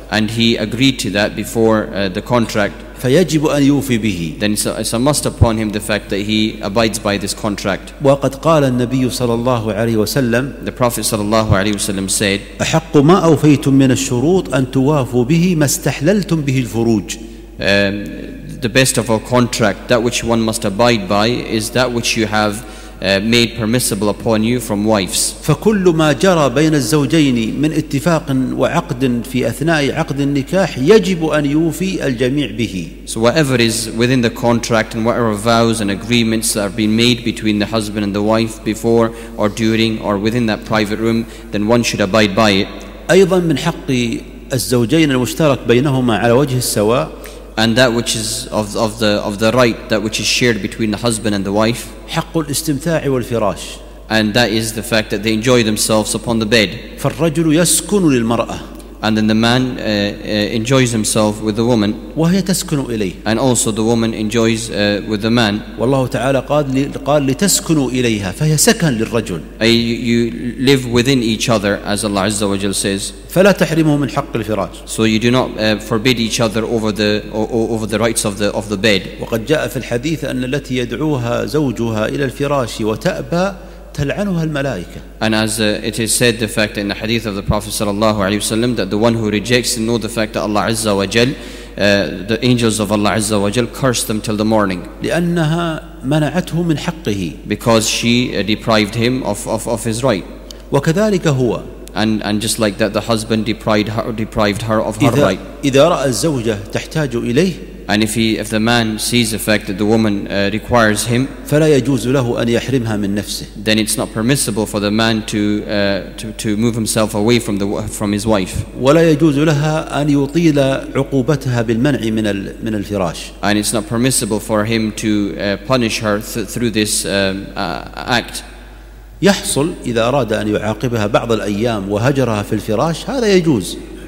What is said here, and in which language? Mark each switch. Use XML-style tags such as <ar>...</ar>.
<en>And he agreed to that before the contract.</en> <ar>فيجب أن يوفي به.</ar> <en>Then it's a must upon him the fact that he abides by this contract.</en> <ar>وقد قال النبي صلى الله عليه وسلم.</ar> <en>The Prophet</en> <ar>صلى الله عليه وسلم</ar> <en>said.</en> <ar>أحق ما أوفيتم من الشروط أن توافوا به ما استحللتم به الفروج.</ar> <en>The best of our contract, that which one must abide by, is that which you have made permissible upon you from wives.</en> <ar>فكل ما جرى بين الزوجين من اتفاق وعقد في أثناء عقد النكاح يجب أن يوفي الجميع به.</ar> <en>So whatever is within the contract and whatever vows and agreements that are being made between the husband and the wife before or during or within that private room, then one should abide by it.</en> <ar>أيضا من حق الزوجين المشترك بينهما على وجه السواء.</ar> <en>And that which is of the right, that which is shared between the husband and the wife.</en> <ar>حق الاستمتاع والفراش.</ar> <en>And that is the fact that they enjoy themselves upon the bed.</en> <ar>فالرجل يسكن للمرأة.</ar> <en>And then the man enjoys himself with the woman.</en> <ar>وهي تسكن إليه.</ar> <en>And also the woman enjoys with the man.</en> <ar>والله تعالى قال لتسكنوا إليها فهي سكن للرجل.</ar> <en>You live within each other, as Allah Azza wa Jal says.</en> <ar>فلا تحرمه من حق الفراش.</ar> <en>So you do not forbid each other over the rights of the bed.</en> <ar>وقد جاء في الحديث أن التي يدعوها زوجها إلى الفراش وتأبى تلعنها الملائكة.</ar> <en>And as it is said, the fact that in the hadith of the Prophet</en> <ar>صلى الله عليه وسلم,</ar> <en>that the one who rejects and know the fact that Allah</en> <ar>عز وجل,</ar> <en>the angels of Allah عز وجل curse them till the morning.</en> <ar>لأنها منعته من حقه.</ar> <en>Because she deprived him of his right.</en> <ar>وكذلك هو.</ar> <en>And just like that, the husband deprived her of her right.</en> <ar>إذا رأى الزوجة تحتاج إليه.</ar> <en>And if the man sees the fact that the woman requires him,</en> <ar>فلا يجوز له أن يحرمها من نفسه.</ar> <en>Then it's not permissible for the man to move himself away from his wife.</en> <ar>ولا يجوز لها أن يطيل عقوبتها بالمنع من الفراش.</ar> <en>And it's not permissible for him to punish her through this act.</en> <ar>يحصل إذا أراد أن يعاقبها بعض الأيام وهجرها في الفراش هذا يجوز.</ar>